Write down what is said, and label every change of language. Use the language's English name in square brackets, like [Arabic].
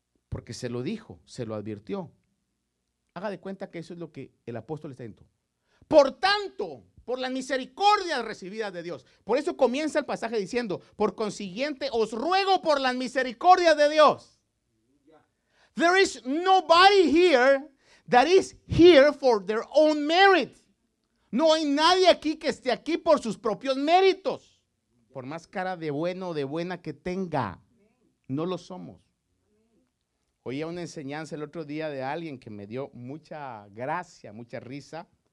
[Spanish] Porque se lo dijo, se lo advirtió. Haga de cuenta que eso es lo que el apóstol está diciendo. Por tanto, por la misericordia recibida de Dios. Por eso comienza el pasaje diciendo, por consiguiente, os ruego por la misericordia de Dios. [English] There is nobody here that is here for their own merit. [Spanish] No hay nadie aquí que esté aquí por sus propios méritos. Por más cara de bueno o de buena que tenga, no lo somos. Oía una enseñanza el otro día de alguien que me dio mucha gracia, mucha risa.